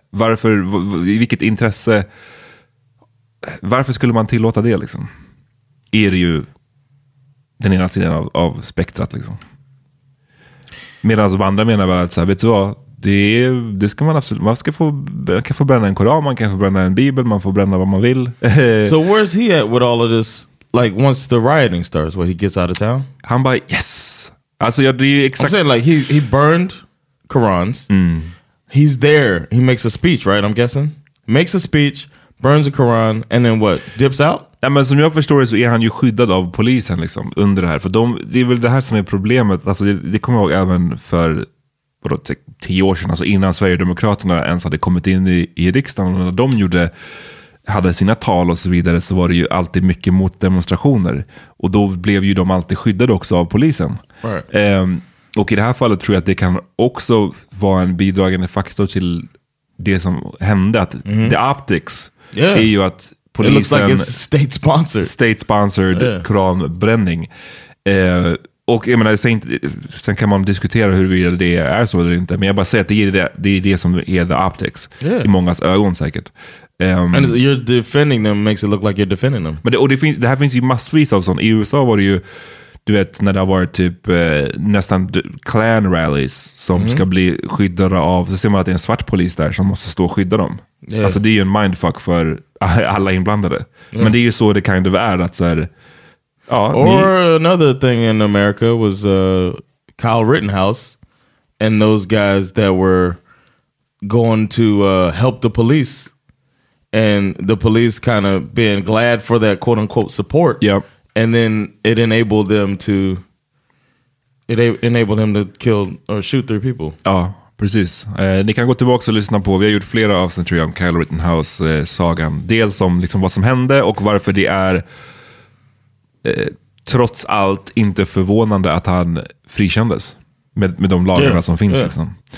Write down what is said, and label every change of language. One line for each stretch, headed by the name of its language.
Swedish: Varför, i vilket intresse, varför skulle man tillåta det liksom? Är det ju den ena sidan av spektrat liksom. Medan de andra menar väl att så här, vet du vad, det ska man absolut, man kan få bränna en koran, man kan få bränna en bibel, man får bränna vad man vill.
English: So where's he at with all of this, like once the rioting starts, when he gets out of town?
Swedish: Han bara, yes! Alltså jag, det är exakt...
English: I'm saying like he burned Qurans. Mm. He's there. He makes a speech, right? I'm guessing. Makes a speech, burns a Quran, and then what? Dips out?
Swedish: Ja, men som jag förstår det så är han ju skyddad av polisen liksom, under det här. För det är väl det här som är problemet. Alltså, det kommer jag ihåg även för 10 år sedan. Alltså innan Sverigedemokraterna ens hade kommit in i riksdagen. Och när de hade sina tal och så vidare, så var det ju alltid mycket mot demonstrationer. Och då blev ju de alltid skyddade också av polisen.
English: Right.
Swedish: Och i det här fallet tror jag att det kan också vara en bidragande faktor till det som hände, att
English: the optics
Swedish: är ju att polisen,
English: it looks like it's state sponsored
Swedish: koranbränning. Och jag menar, sen kan man diskutera hur det är så eller inte, men jag bara säger att det är det som är
English: the optics
Swedish: i mångas ögon säkert.
English: And you're defending them makes it look like you're defending them.
Swedish: Men det finns ju massvis av sånt. I USA var det ju, du vet, när det har varit typ nästan
English: clan rallies
Swedish: som ska bli skyddade av, så ser man att det är en svart polis där som måste stå och skydda dem. Alltså det är ju en mindfuck för alla inblandade. Men det är ju så det
English: kind of
Swedish: är, att så här, ja.
English: Or another thing in America was Kyle Rittenhouse and those guys that were going to help the police. And the police kind of being glad for that quote unquote support. Yep. And then it enabled him to kill or shoot three people.
Swedish: Ja, precis. Ni kan gå tillbaka och lyssna på. Vi har gjort flera avsnitt, tror jag, om Kyle Rittenhouse-sagan. Dels om liksom vad som hände och varför det är trots allt inte förvånande att han frikändes med de lagarna som finns.
English: Yeah.
Swedish: Liksom.